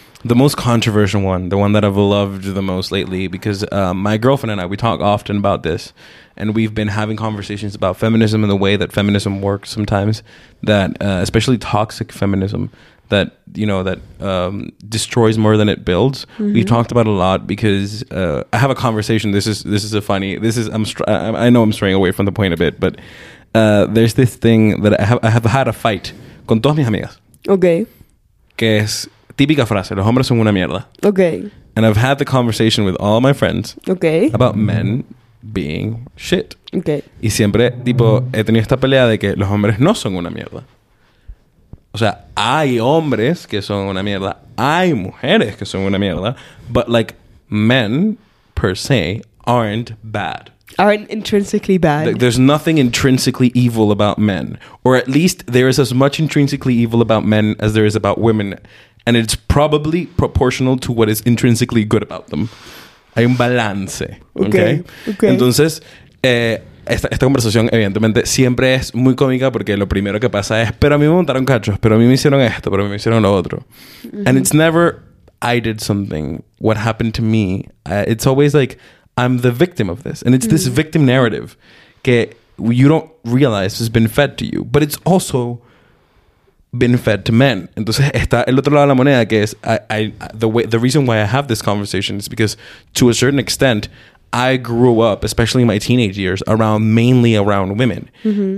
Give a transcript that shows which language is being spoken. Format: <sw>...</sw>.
<en>the most controversial one, the one that I've loved the most lately, because my girlfriend and I, we talk often about this, and we've been having conversations about feminism and the way that feminism works sometimes, that especially toxic feminism, that, you know, that destroys more than it builds. Mm-hmm. We've talked about it a lot because I have a conversation. I know I'm straying away from the point a bit, but there's this thing that I have had a fight</en> <es>con todas mis amigas.</es> <en>Okay.</en> <es>Que es típica frase, los hombres son una mierda.</es> <en>Okay. And I've had the conversation with all my friends. Okay. About men being shit. Okay.</en> <es>Y siempre, tipo, he tenido esta pelea de que los hombres no son una mierda. O sea, hay hombres que son una mierda, hay mujeres que son una mierda,</es> <en>but like men per se aren't bad. Aren't intrinsically bad. There's nothing intrinsically evil about men, or at least there is as much intrinsically evil about men as there is about women, and it's probably proportional to what is intrinsically good about them.</en> <es>Hay un balance. Okay. Entonces, Esta conversación, evidentemente, siempre es muy cómica porque lo primero que pasa es, pero a mí me montaron cachos, pero a mí me hicieron esto, pero a mí me hicieron lo otro. Mm-hmm.</es> <en>And it's never, I did something, what happened to me. It's always like, I'm the victim of this. And it's mm-hmm. this victim narrative que you don't realize has been fed to you. But it's also been fed to men.</en> <es>Entonces, está el otro lado de la moneda que es,</es> <en>the reason why I have this conversation is because, to a certain extent, I grew up, especially in my teenage years, mainly around women. Mm-hmm.</en>